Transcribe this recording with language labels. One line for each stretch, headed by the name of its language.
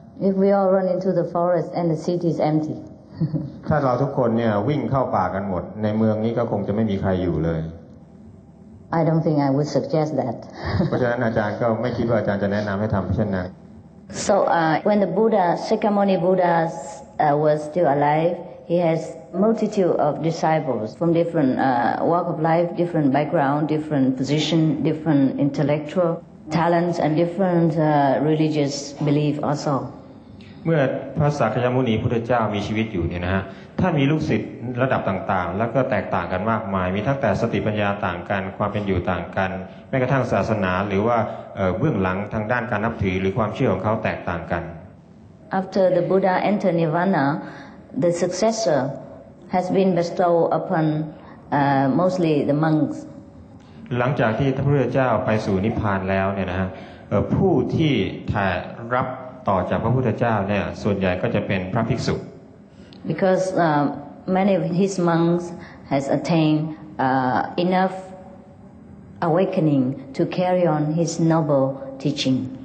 English: If we all run into the forest and the city is empty, if we all run into the forest and the city is empty, if we all run into the forest and the city is empty, I don't think I would suggest that.
Thai: เพราะฉะนั้นอาจารย์ก็ไม่คิดว่าอาจารย์จะแนะนำให้ทำเช่นนั้น
English: So when the Buddha, Shakyamuni Buddha was still alive, He has multitude of disciples from different walk of life, different background, different position, different intellectual talents, and different religious belief also.
Thai: เมื่อพระสักยมุนีพุทธเจ้ามีชีวิตอยู่เนี่ยนะฮะท่านมีลูกศิษย์ระดับต่างๆแล้วก็แตกต่างกันมากมายมีทั้งแต่สติปัญญาต่างกันความเป็นอยู่ต่างกันแม้กระทั่งศาสนาหรือว่าเบื้องหลังทางด้านการนับถือหรือความเชื่อของเขาแตกต่างกัน
English: After the Buddha entered Nirvana, the successor has been bestowed upon mostly the monks.
Thai: หลังจากที่พระพุทธเจ้าไปสู่นิพพานแล้วเนี่ยนะฮะผู้ที่ถ่ายรับต่อจากพระพุทธเจ้าเนี่ยส่วนใหญ่ก็จะเป็นพระภิกษุ
English: because many of his monks has attained enough awakening to carry on his noble teaching